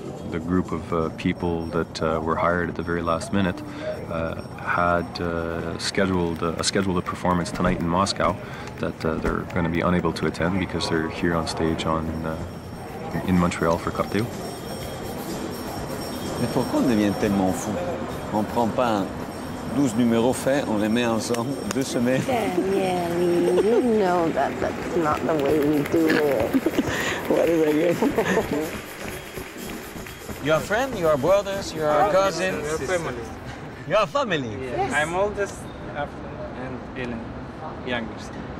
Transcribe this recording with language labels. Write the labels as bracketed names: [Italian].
[English] The group of people that were hired at the very last minute had scheduled a performance tonight in Moscow that they're going to be unable to attend because they're here on stage in Montreal for Corteo. [French] Mais pourquoi on devient tellement fou? On prend pas 12 numéros faits, on les met ensemble 2 semaines. [English] Yeah, you know that that's not the way we do it. What is it? You are friends, you are brothers, you are cousins. Yes, you are family. You are family? Yes. Yes. I'm oldest and Ellen, youngest.